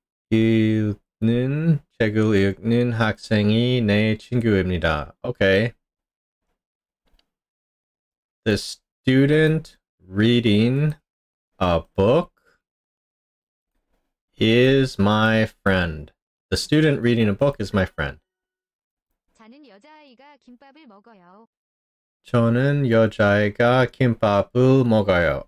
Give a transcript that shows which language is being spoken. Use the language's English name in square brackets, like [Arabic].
[Korean] 책을 읽는 학생이 내 친구입니다. [English] Okay. The student reading a book is my friend. The student reading a book is my friend. [Korean] 저는 여자아이가 김밥을 먹어요. 저는 여자아이가 김밥을 먹어요.